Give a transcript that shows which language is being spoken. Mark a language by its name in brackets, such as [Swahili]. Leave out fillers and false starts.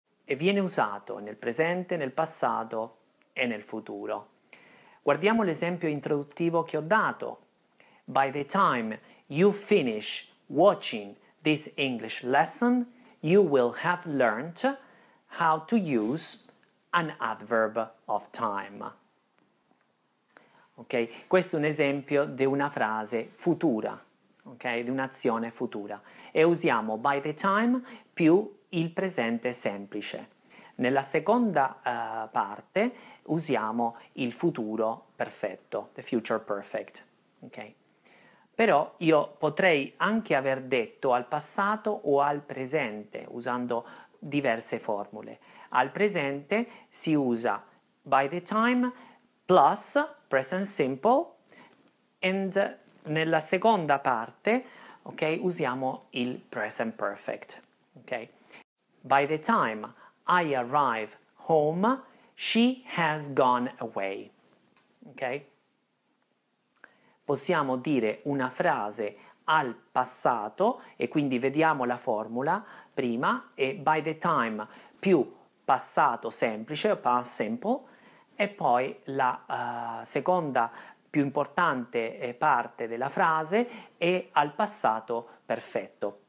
[Italian] E viene usato nel presente, nel passato e nel futuro. Guardiamo l'esempio introduttivo che ho dato. [English] By the time you finish watching this English lesson, you will have learned how to use an adverb of time. [Italian] Ok, questo è un esempio di una frase futura, ok, di un'azione futura. E usiamo by the time più il presente semplice. Nella seconda parte usiamo il futuro perfetto, the future perfect. Okay. Però io potrei anche aver detto al passato o al presente usando diverse formule. Al presente si usa [English] by the time plus present simple and [Italian] nella seconda parte, [English] okay, [Italian] usiamo il [English] present perfect. Okay. By the time I arrive home, she has gone away. Ok? [Italian] Possiamo dire una frase al passato e quindi vediamo la formula prima e by the time più passato semplice, past simple, e poi la seconda più importante parte della frase è al passato perfetto.